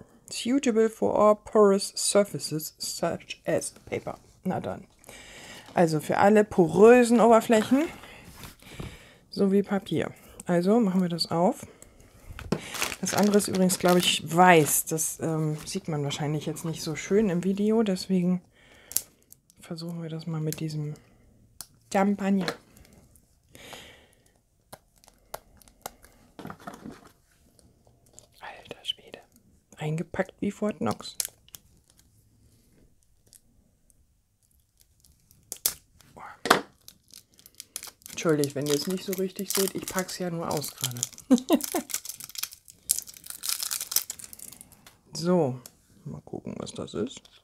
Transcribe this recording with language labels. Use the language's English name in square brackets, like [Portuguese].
[English] Suitable for all porous surfaces such as paper. [German] Na dann. Also für alle porösen Oberflächen. So wie Papier. Also machen wir das auf. Das andere ist übrigens, glaube ich, weiß. Das sieht man wahrscheinlich jetzt nicht so schön im Video. Deswegen versuchen wir das mal mit diesem Champagner. Alter Schwede. Eingepackt wie Fort Knox. Entschuldigt, wenn ihr es nicht so richtig seht. Ich packe es ja nur aus gerade. So, mal gucken, was das ist.